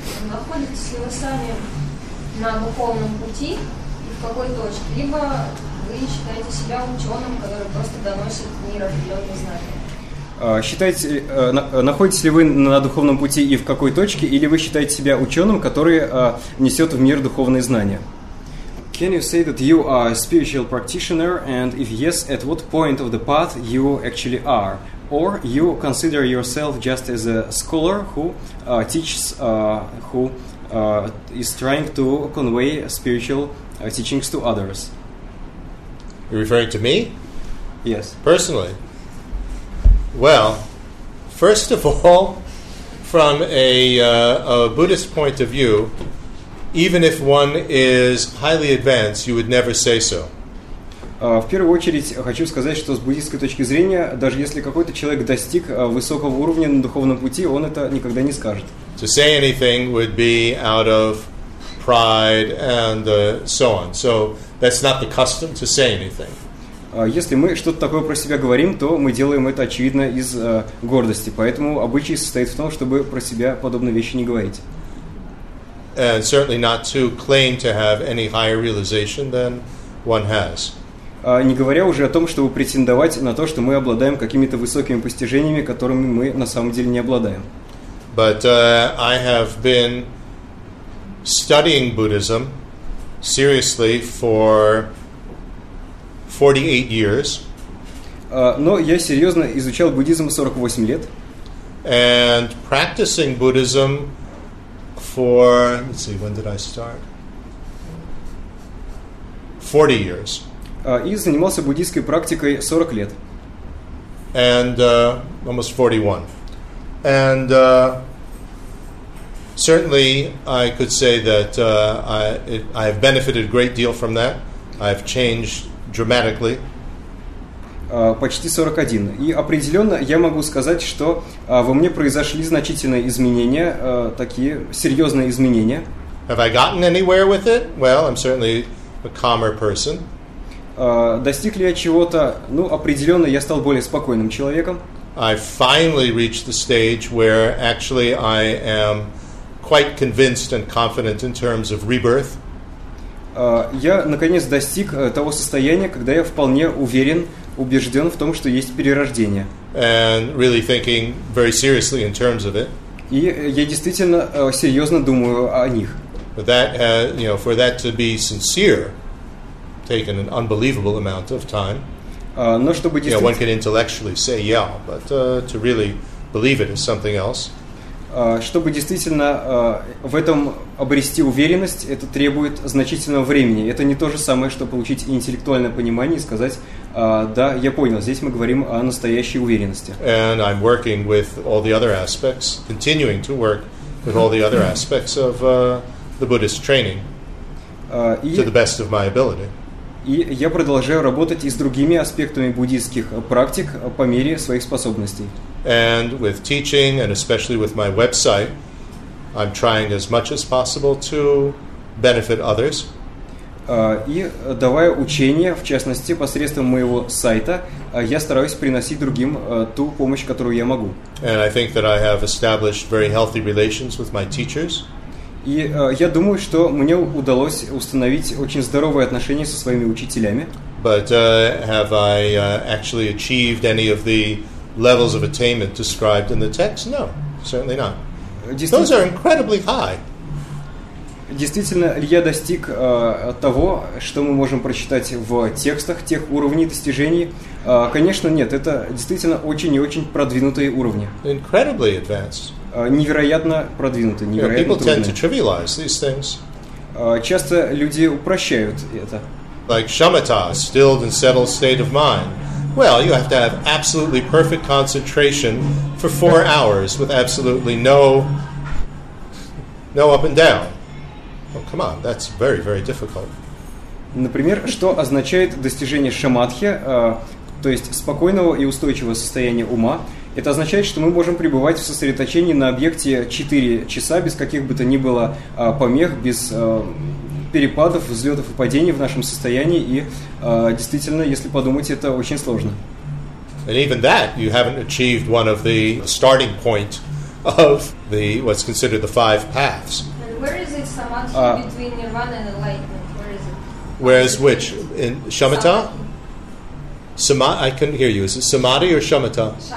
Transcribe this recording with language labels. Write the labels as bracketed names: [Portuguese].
[Russian] Находитесь ли вы сами на духовном пути и в какой точке? Либо вы считаете себя ученым, который просто доносит мир определенные знания? Находитесь ли вы на духовном пути и в какой точке, или вы считаете себя ученым, который несет в мир духовные знания? [English] Can you say that you are a spiritual practitioner, and if yes, at what point of the path you actually are? Or you consider yourself just as a scholar who teaches, who is trying to convey spiritual teachings to others? You're referring to me? Yes. Personally? Well, first of all, from a Buddhist point of view, even if one is highly advanced, you would never say so. [Russian] В первую очередь хочу сказать, что с буддийской точки зрения, даже если какой-то человек достиг высокого уровня на духовном пути, он это никогда не скажет. [English] To say anything would be out of pride and so on. So that's not the custom to say anything. [Russian] Если мы что-то такое про себя говорим, то мы делаем это очевидно из гордости. Поэтому обычай состоит в том, чтобы про себя подобные вещи не говорить. [English] And certainly not to claim to have any higher realization than one has. [Russian] Не говоря уже о том, чтобы претендовать на то, что мы обладаем какими-то высокими постижениями, которыми мы на самом деле не обладаем. [English] But I have been studying Buddhism seriously for 48 years. [Russian] Но я серьезно изучал буддизм 48 лет. [English] And practicing Buddhism for, let's see, when did I start? 40 years. [Russian] И занимался буддийской практикой 40 лет. [English] And almost 41. And certainly I could say that I have benefited a great deal from that. I've changed dramatically. [Russian] Почти 41. И определенно я могу сказать, что во мне произошли значительные изменения, такие серьезные изменения. [English] Have I gotten anywhere with it? Well, I'm certainly a calmer person. [Russian] Достиг ли я чего-то? Ну, определенно я стал более спокойным человеком. [English] I finally reached the stage where actually I am quite convinced and confident in terms of rebirth. [Russian] Я наконец достиг того состояния, когда я вполне уверен, убежден в том, что есть перерождение. [English] And really thinking very seriously in terms of it. [Russian] И я действительно серьезно думаю о них. [English] But that, for that to be sincere, taken an unbelievable amount of time. [Russian] но чтобы действительно... [English] Yeah, one can intellectually say yeah, but to really believe it is something else. [Russian] Чтобы действительно в этом обрести уверенность, это требует значительного времени. Это не то же самое, что получить интеллектуальное понимание и сказать «Да, я понял, здесь мы говорим о настоящей уверенности». [English] And I'm working with all the other aspects, continuing to work with all the other aspects of the Buddhist training to the best of my ability. [Russian] И я продолжаю работать и с другими аспектами буддийских практик по мере своих способностей. [English] And with teaching, and especially with my website, I'm trying as much as possible to benefit others. [Russian] И давая учения, в частности, посредством моего сайта, я стараюсь приносить другим ту помощь, которую я могу. [English] And I think that I have established very healthy relations with my teachers. [Russian] И я думаю, что мне удалось установить очень здоровые отношения со своими учителями. [English] But have I actually achieved any of the levels of attainment described in the text? No, certainly not. Those are incredibly high. [Russian] Действительно ли я достиг того, что мы можем прочитать в текстах, тех уровней достижений? Конечно, нет. Это действительно очень и очень продвинутые уровни. [English] Incredibly advanced. [Russian] Невероятно продвинутые, невероятно трудные. [English] People tend to trivialize these things. [Russian] Часто люди упрощают это. [English] Like shamatha, stilled and settled state of mind. Well, you have to have absolutely perfect concentration for 4 hours with absolutely no up and down. Well, come on, that's very, very difficult. [Russian] Например, что означает достижение шамадхи, то есть спокойного и устойчивого состояния ума? Это означает, что мы можем пребывать в сосредоточении на объекте 4 часа без каких бы то ни было помех, без перепадов, взлетов и падений в нашем состоянии, и действительно, если подумать, это очень сложно. [English] And even that, you haven't achieved one of the starting point of the what's considered the five paths. And where is it samadhi between nirvana and enlightenment? Where is which? In shamatha? I couldn't hear you. Is it samadhi or shamatha?